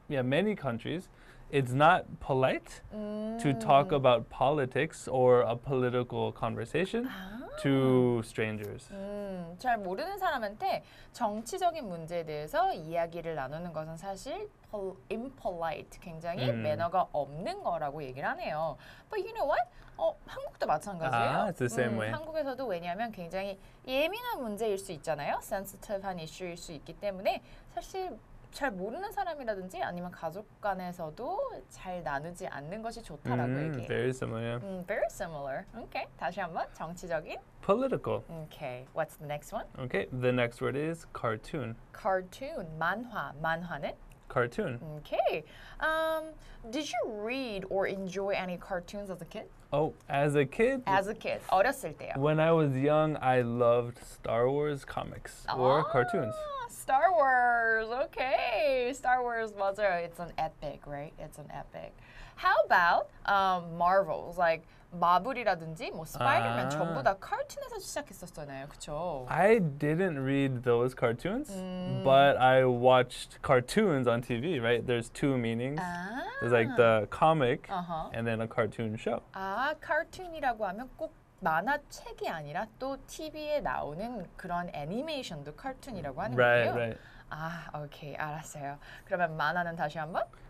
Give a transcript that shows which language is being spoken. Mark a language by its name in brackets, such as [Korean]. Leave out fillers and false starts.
[English] Yeah, many countries, it's not polite to talk about politics or a political conversation to strangers. [Korean] 잘 모르는 사람한테 정치적인 문제에 대해서 이야기를 나누는 것은 사실 impolite, 굉장히 매너가 없는 거라고 얘기를 하네요. [English] But you know what? [Korean] 한국도 마찬가지예요. [English] It's the same way. [Korean] 한국에서도 왜냐하면 굉장히 예민한 문제일 수 있잖아요. Sensitive한 이슈일 수 있기 때문에 사실 잘 모르는 사람이라든지 아니면 가족 간에서도 잘 나누지 않는 것이 좋다라고 얘기해요. [English] Very similar. Yeah. Very similar. Okay. [Korean] 다시 한번 정치적인. [English] Political. Okay. What's the next one? Okay. The next word is cartoon. Cartoon. [Korean] 만화. 만화는? [English] Cartoon. Okay. Did you read or enjoy any cartoons as a kid? Oh, as a kid? As a kid. [Korean] 어렸을 때요. [English] When I was young, I loved Star Wars comics or cartoons. Star Wars. Okay. Star Wars, [Korean] 맞아요. [English] It's an epic, right? It's an epic. How about Marvels? [Korean] Like 마블이라든지 뭐 스파이더맨 전부 다 카툰에서 시작했었잖아요. 그쵸? [English] I didn't read those cartoons, but I watched cartoons on TV, right? There's two meanings. There's like the comic and then a cartoon show. [Korean] 아, 카툰이라고 하면 꼭 만화책이 아니라 또 TV에 나오는 그런 애니메이션도 카툰이라고 하는 거예요? [English] Right, [Korean] 건데요? [English] right. [Korean] 아, 오케이. 알았어요. 그러면 만화는 다시 한번?